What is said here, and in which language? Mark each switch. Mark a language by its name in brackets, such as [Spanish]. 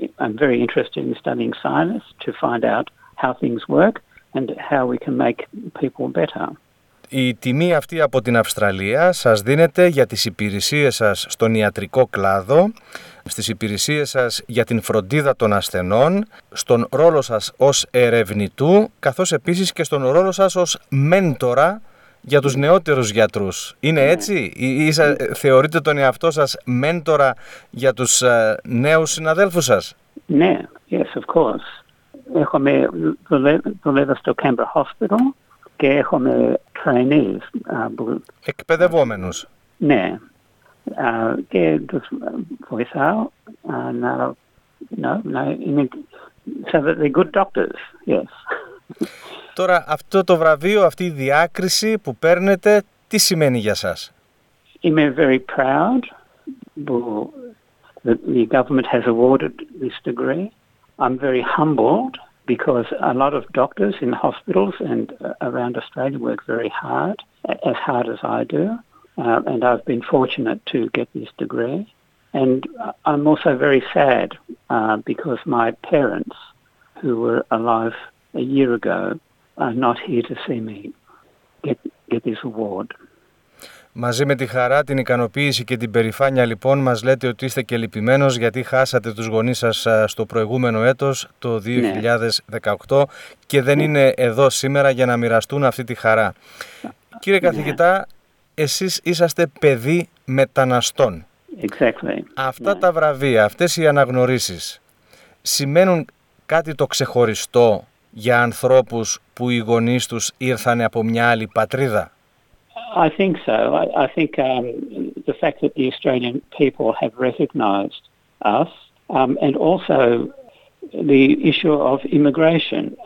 [English] I'm very interested in studying science to find out how things work and how we can make people better. [Greek] Η τιμή αυτή από την Αυστραλία σας δίνεται για τις υπηρεσίες σας στον ιατρικό κλάδο, στις υπηρεσίες σας για την φροντίδα των ασθενών, στον ρόλο σας ως ερευνητού, καθώς επίσης και στον ρόλο σας ως μέντορα για τους νεότερους γιατρούς. Είναι έτσι? Θεωρείτε τον εαυτό σας μέντορα για τους νέους συναδέλφους σας? Ναι, [English] yes, of course. [Greek] Έχουμε δουλεύω στο Canberra Hospital και έχουμε trainees. Εκπαιδευόμενους. Ναι. Και τους βοηθάω να είναι [English] they're good doctors, yes. [Greek] Τώρα αυτό το βραβείο, αυτή η διάκριση που παίρνετε, τι σημαίνει για σας? Είμαι [English] very proud [Greek] που [English] the government has awarded this degree. I'm very humbled because a lot of doctors in hospitals and around Australia work very hard, as hard as I do, and I've been fortunate to get this degree. And I'm also very sad because my parents, who were alive a year ago, are not here to see me get this award. [Greek] Μαζί με τη χαρά, την ικανοποίηση και την περηφάνεια, λοιπόν, μας λέτε ότι είστε και λυπημένος γιατί χάσατε τους γονείς σας στο προηγούμενο έτος, το 2018, ναι, και δεν είναι εδώ σήμερα για να μοιραστούν αυτή τη χαρά. Κύριε καθηγητά, εσείς είσαστε παιδί μεταναστών. [English] Exactly. [Greek] Αυτά τα βραβεία, αυτές οι αναγνωρίσεις, σημαίνουν κάτι το ξεχωριστό για ανθρώπους που οι γονείς τους ήρθαν από μια άλλη πατρίδα? [English] I think so. I think the fact that the Australian people have recognised us, and also the issue of immigration.